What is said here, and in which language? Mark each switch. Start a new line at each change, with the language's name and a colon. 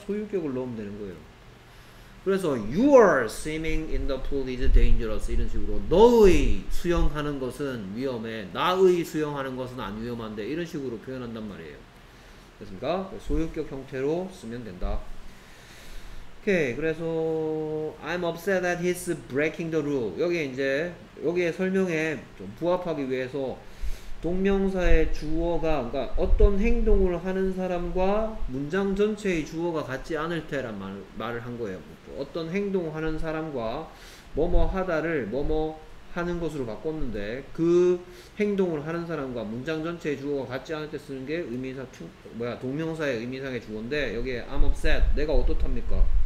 Korean: 소유격을 넣으면 되는 거예요. 그래서
English: You are swimming in the pool is dangerous
Korean: 이런 식으로 너의 수영하는 것은 위험해 나의 수영하는 것은 안 위험한데 이런 식으로 표현한단 말이에요. 됐습니까? 소유격 형태로 쓰면 된다. 오케이.
English: 그래서 I'm upset that he's breaking the rule.
Korean: 여기에 이제 여기에 설명에 좀 부합하기 위해서 동명사의 주어가 그러니까 어떤 행동을 하는 사람과 문장 전체의 주어가 같지 않을 때란 말을 한 거예요. 어떤 행동을 하는 사람과 뭐뭐 하다를 뭐뭐 하는 것으로 바꿨는데 그 행동을 하는 사람과 문장 전체의 주어가 같지 않을 때 쓰는 게 동명사의 의미상의 주어인데 여기에
English: I'm upset
Korean: 내가 어떻답니까?